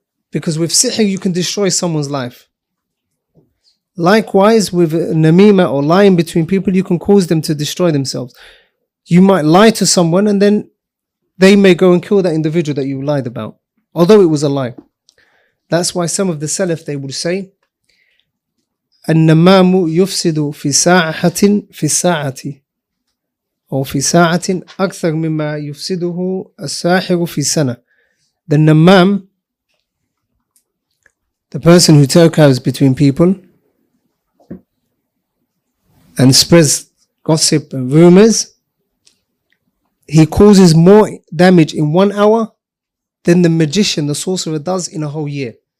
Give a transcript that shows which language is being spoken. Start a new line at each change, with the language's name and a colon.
English: Because with sihr, you can destroy someone's life. Likewise, with namima or lying between people, you can cause them to destroy themselves. You might lie to someone and then they may go and kill that individual that you lied about, although it was a lie. That's why some of the salaf, they would say,
Arabic: النمام يفسد في ساعة في الساعة أو في ساعة أكثر مما يفسده الساحر في سنة.
English: The namam, the person who tells between people and spreads gossip and rumors, he causes more damage in 1 hour than the magician, the sorcerer, does in a whole year.